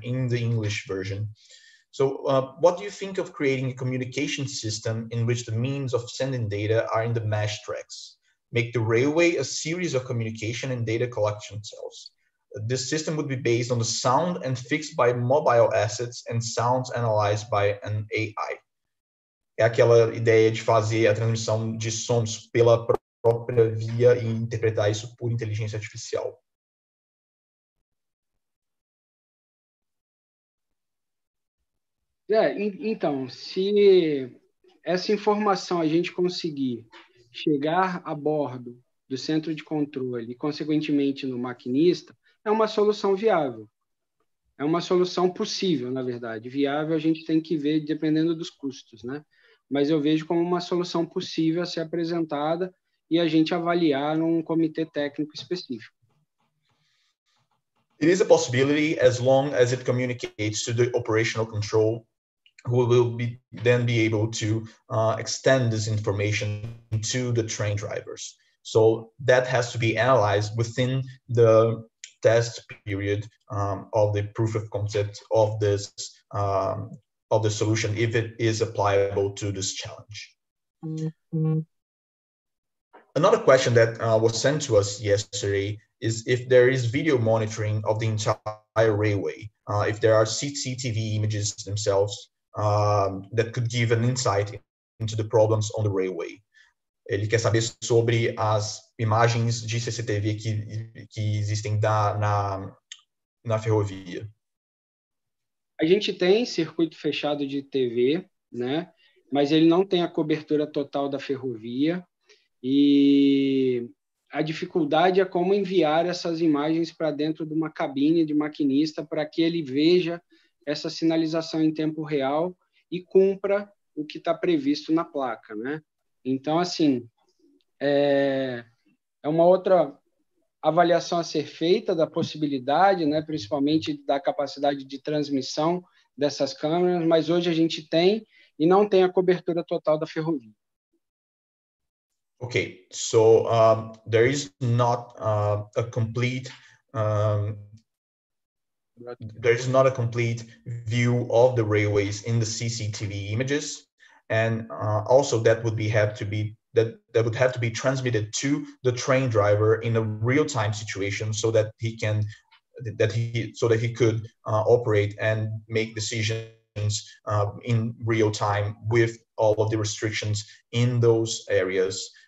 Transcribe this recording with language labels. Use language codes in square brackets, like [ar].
[en] in the English version. So what do you think of creating a communication system in which the means of sending data are in the mesh tracks? Make the railway a series of communication and data collection cells. This system would be based on the sound and fixed by mobile assets and sounds analyzed by an AI. [pt] É aquela ideia de fazer a transmissão de sons pela própria via e interpretar isso por inteligência artificial. Então, se essa informação a gente conseguir chegar a bordo do centro de controle e, consequentemente, no maquinista, é uma solução viável. É uma solução possível, na verdade. Viável a gente tem que ver dependendo dos custos, né? Mas eu vejo como uma solução possível a ser apresentada e a gente avaliar num comitê técnico específico. [en] It is a possibility as long as it communicates to the operational control, who will be, then be able to extend this information to the train drivers. So that has to be analyzed within the test period of the proof of concept of this of the solution, if it is applicable to this challenge. Another question that was sent to us yesterday is if there is video monitoring of the entire railway, if there are CCTV images themselves that could give an insight into the problems on the railway. [pt] Ele quer saber sobre as imagens de CCTV que existem na ferrovia. A gente tem circuito fechado de TV, né? Mas ele não tem a cobertura total da ferrovia. E a dificuldade é como enviar essas imagens para dentro de uma cabine de maquinista para que ele veja essa sinalização em tempo real e cumpra o que está previsto na placa, né? Então, assim, é uma outra avaliação a ser feita da possibilidade, né, principalmente da capacidade de transmissão dessas câmeras, mas hoje a gente tem e não tem a cobertura total da ferrovia. [en] Okay, so there is not a complete view of the railways in the CCTV images. And also that would have to be transmitted to the train driver in a real time situation so that he could operate and make decisions in real time with all of the restrictions in those areas.